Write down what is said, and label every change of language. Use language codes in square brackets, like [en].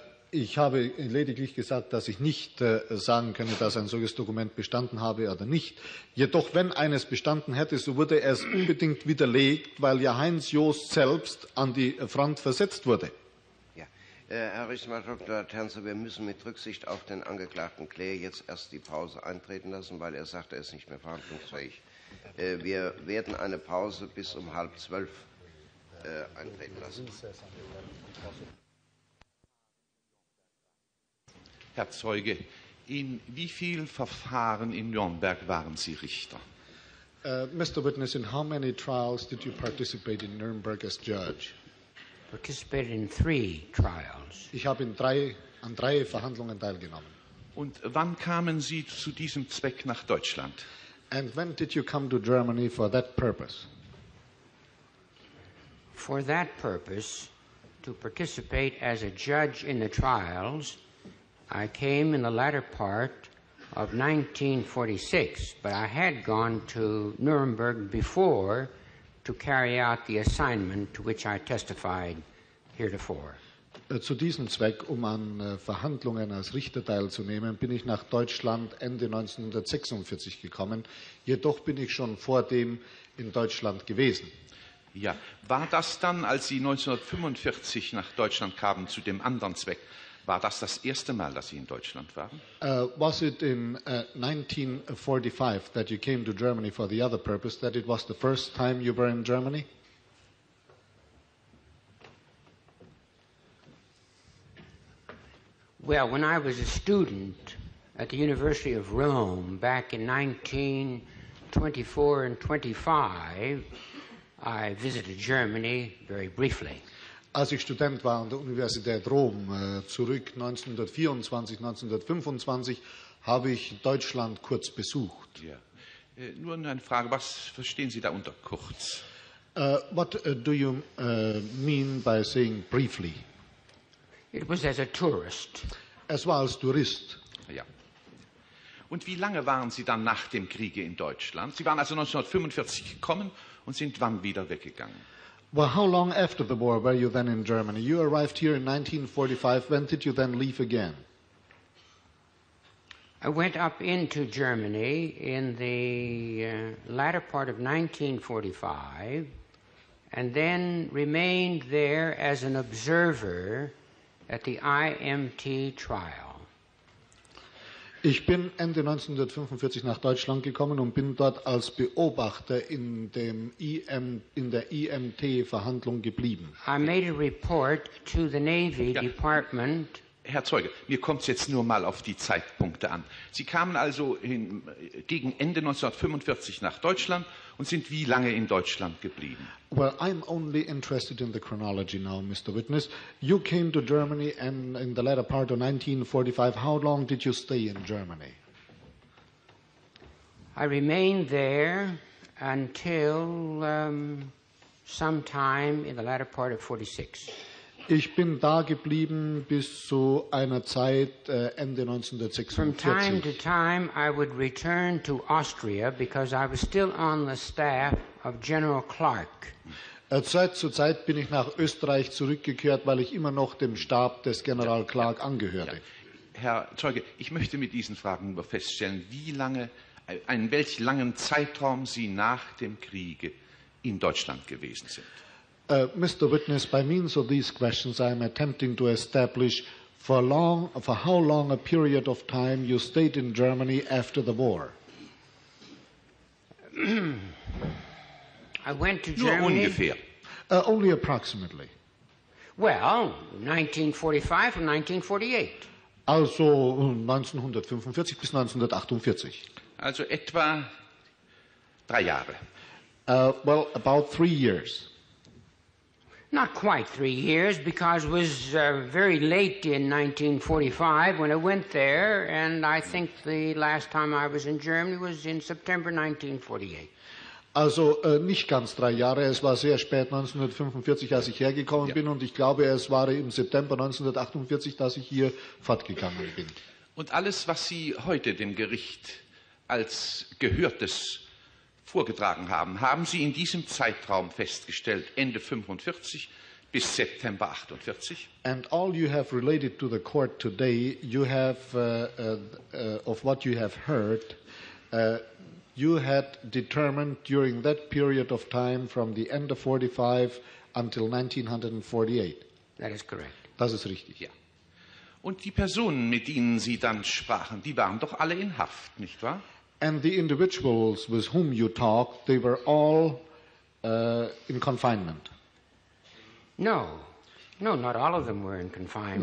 [de] Ich habe lediglich gesagt, dass ich nicht sagen könne, dass ein solches Dokument bestanden habe oder nicht. Jedoch, wenn eines bestanden hätte, so wurde es unbedingt widerlegt, weil ja Heinz Joost selbst an die Front versetzt wurde. Herr Richter, Dr. Laternzer, wir müssen mit Rücksicht auf den Angeklagten Klee jetzt erst die Pause eintreten lassen, weil er sagt, er ist nicht mehr verhandlungsfähig. Wir werden eine Pause bis um 11:30 eintreten lassen. Herr Zeuge, in wie vielen Verfahren in Nürnberg waren Sie Richter? [en] Mr. Witness, in how many trials did you participate in Nuremberg as judge? Participated in 3 trials. [de] Ich habe an 3 Verhandlungen teilgenommen. Und wann kamen Sie zu diesem Zweck nach Deutschland? [en] And when did you come to Germany for that purpose? For that purpose, to participate as a judge in the trials, I came in the latter part of 1946, but I had gone to Nuremberg before to carry out the assignment to which I testified heretofore. [de] Zu diesem Zweck, an Verhandlungen als Richter teilzunehmen, bin ich nach Deutschland Ende 1946 gekommen. Jedoch bin ich schon vor dem in Deutschland gewesen. Ja, war das dann, als Sie 1945 nach Deutschland kamen, zu dem anderen Zweck, war das das erste Mal, dass Sie in Deutschland waren? [en] Was it in 1945 that you came to Germany for the other purpose, that it was the first time you were in Germany? Well, when I was a student at the University of Rome back in 1924 and 25, I visited Germany very briefly. [de] Als ich Student war an der Universität Rom, zurück 1924, 1925, habe ich Deutschland kurz besucht. Ja. Nur eine Frage, was verstehen Sie da unter kurz? [en] What do you mean by saying briefly? It was as a tourist. [de] Es war als Tourist. Ja. Und wie lange waren Sie dann nach dem Kriege in Deutschland? Sie waren also 1945 gekommen und sind wann wieder weggegangen? [en] Well, how long after the war were you then in Germany? You arrived here in 1945. When did you then leave again? I went up into Germany in the latter part of 1945 and then remained there as an observer at the IMT trial. [de] Ich bin Ende 1945 nach Deutschland gekommen und bin dort als Beobachter in dem in der IMT Verhandlung geblieben. [en] I made a report to the Navy Department. [de] Herr Zeuge, mir kommt es jetzt nur mal auf die Zeitpunkte an. Sie kamen also gegen Ende 1945 nach Deutschland und sind wie lange in Deutschland geblieben? [en] Well, I'm only interested in the chronology now, Mr. Witness. You came to Germany and in the latter part of 1945. How long did you stay in Germany? I remained there until sometime in the latter part of 46. [de] Ich bin da geblieben bis zu einer Zeit Ende 1946. [en] From time to time I would return to Austria because I was still on the staff of General Clark. [de] Zeit zu Zeit bin ich nach Österreich zurückgekehrt, weil ich immer noch dem Stab des General Clark angehörte. Herr Zeuge, ich möchte mit diesen Fragen nur feststellen, wie lange, einen welch langen Zeitraum Sie nach dem Kriege in Deutschland gewesen sind. [en] Mr. Witness, by means of these questions, I am attempting to establish for how long a period of time you stayed in Germany after the war. I went to Germany. [de] Ungefähr. [en] Only approximately. Well, 1945 and 1948. [de] Also 1945 bis 1948. Also etwa 3 Jahre. [en] Well, about 3 years. Not quite 3 years, because it was very late in 1945 when I went there, and I think the last time I was in Germany was in September 1948. [de] Also nicht ganz 3 Jahre, es war sehr spät 1945, als ich hergekommen bin, und ich glaube, es war im September 1948, dass ich hier fortgegangen bin. Und alles, was Sie heute dem Gericht als Gehörtes vorgetragen haben, haben Sie in diesem Zeitraum festgestellt, Ende 45 bis September 48? [en] And all you have related to the court today, you have of what you have heard, you had determined during that period of time from the end of 45 until 1948. That is correct. [de] Das ist richtig. Ja. Und die Personen, mit denen Sie dann sprachen, die waren doch alle in Haft, nicht wahr? [en] And the individuals with whom you talked, they were all in confinement. No, no, not all of them were in confinement.